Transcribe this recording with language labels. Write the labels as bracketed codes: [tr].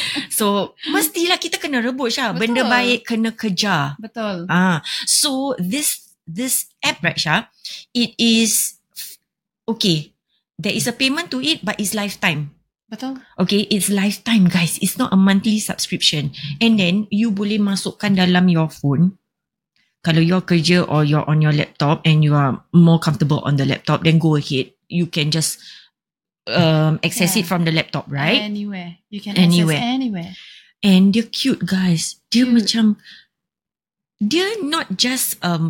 [ms] So, mestilah kita kena rebut, Syah. Betul. Benda baik kena kejar. Betul. [en] So, this app, right, Syah, it is... Okay. There is a payment to it, but it's lifetime. [ms] Betul. [en] Okay, it's lifetime, guys. It's not a monthly subscription. And then, you [ms] boleh masukkan dalam [en] your phone. [ms] Kalau [en] you're [ms] kerja [en] or you're on your laptop and you are more comfortable on the laptop, then go ahead. You can just access yeah. it from the laptop, right? Anywhere. You can anywhere. Access anywhere. And they're cute, guys. They're cute. [ms] Macam... [en] They're not just...